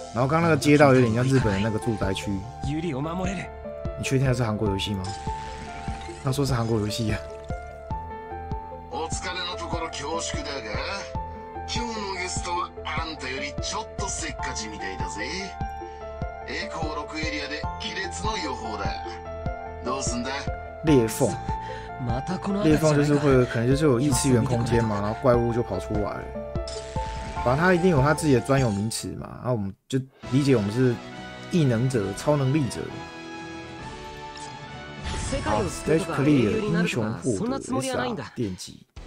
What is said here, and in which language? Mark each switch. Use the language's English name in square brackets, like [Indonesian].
[Chinese] 然后刚那个街道有点像日本的那个住宅区。你确定它是韩国游戏吗？他说是韩国游戏呀。 [Japanese] お疲れのところ恐縮だが、今日のゲストはあんたよりちょっとせっかちみたいだぜ。エコー6エリアで亀裂の予報だ。どうすんだ？裂缝。 [Chinese] 裂缝就是会可能就是有异次元空间嘛，然后怪物就跑出来了。反正他一定有他自己的专有名词嘛，然后我们就理解我们是异能者、超能力者。好 ， stage clear，英雄获得 SR 电击。